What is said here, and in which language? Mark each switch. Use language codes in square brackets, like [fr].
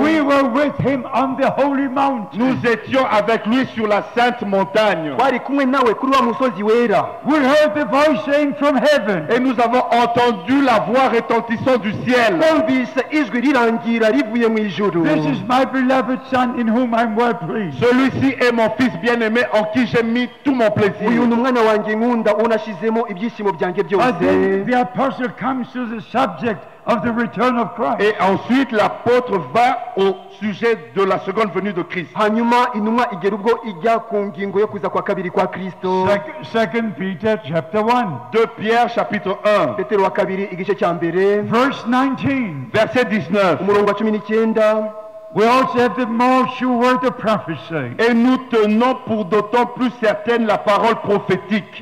[en] we were with him on the holy mountain. [fr] Nous étions avec lui sur la sainte montagne. [rw] Twari kumwe nawe kuri wa musozi wera. [en] We heard the voice saying from heaven. [fr] Et nous avons entendu la voix retentissant du ciel. [rw] Twumvise ijwi rirangira rivuye mu ijuru. [en] This is my beloved son in whom I'm well pleased. [fr] Celui-ci est mon fils bien-aimé en qui j'ai mis tout mon plaisir. [rw] Uyu n'umwana wanjye nkunda unashizemo ibyishimo byanjye. [en] But then the apostle comes to the subject of the return of Christ. [fr] Et ensuite l'apôtre va au sujet de la seconde venue de Christ. [rw] Hanyuma inuma igera ubwo ijya ku ngingo yo kuza kwa kabiri kwa Kristo. [en] 2 Peter chapter 1. [fr] 2 Pierre chapitre 1. [rw] Petero wa kabiri igice cya mbere. [en] Verse 19. [fr] Verset 19. [rw] Umurongo wa 19. [en] We also have the more sure word of prophecy. [fr] Et nous tenons pour d'autant plus certaine la parole prophétique.